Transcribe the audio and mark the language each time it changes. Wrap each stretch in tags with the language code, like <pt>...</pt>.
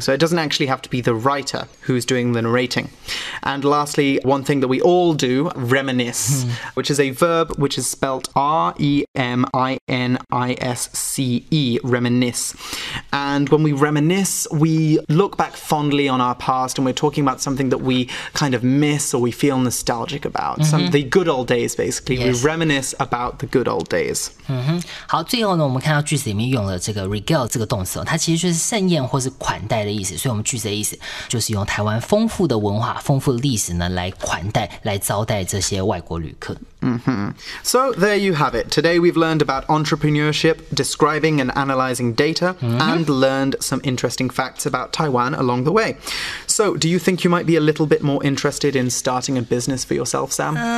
<en>So it doesn't actually have to be the writer who's doing the narrating. And lastly, one thing that we all do, reminisce, which is a verb which is spelt R-E-M-I-N-I-S-C-E, reminisce. And when we reminisce, we look back fondly on our past and we're talking about something that we kind of miss or we feel nostalgic about. The good old days, basically. We reminisce about the good old days.</en> <zh>好，最后呢，我们看到句子里面用了这个 regale 这个动词，它其实就是盛宴或是款待的意思。所以我们句子的意思就是用台湾丰富的文化、丰富的历史呢，来款待、来招待这些外国旅客。</zh> <en>So there you have it. Today we've learned about entrepreneurship, describing and analyzing data, and learned some interesting facts about Taiwan along the way. So do you think you might be a little bit more interested in starting a business for yourself, Sam?</en>